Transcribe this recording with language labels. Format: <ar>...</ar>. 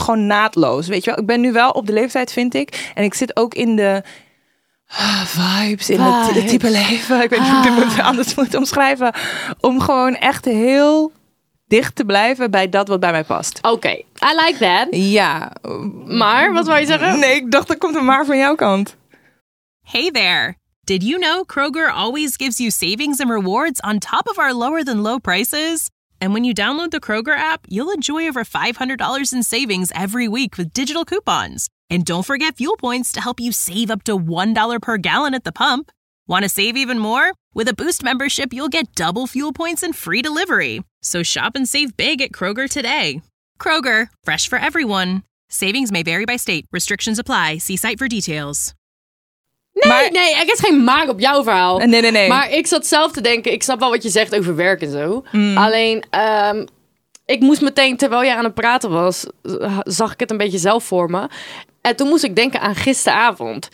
<nl>Gewoon naadloos, weet je wel. Ik ben nu wel op de leeftijd, vind ik. En ik zit ook in de vibes, in het type leven. Ik weet niet hoe ik het anders moet omschrijven. Om gewoon echt heel dicht te blijven bij dat wat bij mij past.</nl> <en>Oké, okay. I like that.</en> <nl>Ja. Maar, wat wou je zeggen? Nee, ik dacht dat komt er maar van jouw kant.</nl> <en>Hey there. Did you know Kroger always gives you savings and rewards on top of our lower than low prices? And when you download the Kroger app, you'll enjoy over $500 in savings every week with digital coupons. And don't forget fuel points to help you save up to $1 per gallon at the pump. Want to save even more? With a Boost membership, you'll get double fuel points and free delivery. So shop and save big at Kroger today. Kroger, fresh for everyone. Savings may vary by state. Restrictions apply. See site for details.</en> <nl>Nee, maar, nee, ik heb geen maak op jouw verhaal. Nee. Maar ik zat zelf te denken, ik snap wel wat je zegt over werk en zo. Mm. Alleen, ik moest meteen, terwijl jij aan het praten was, zag ik het een beetje zelf voor me. En toen moest ik denken aan gisteravond.</nl>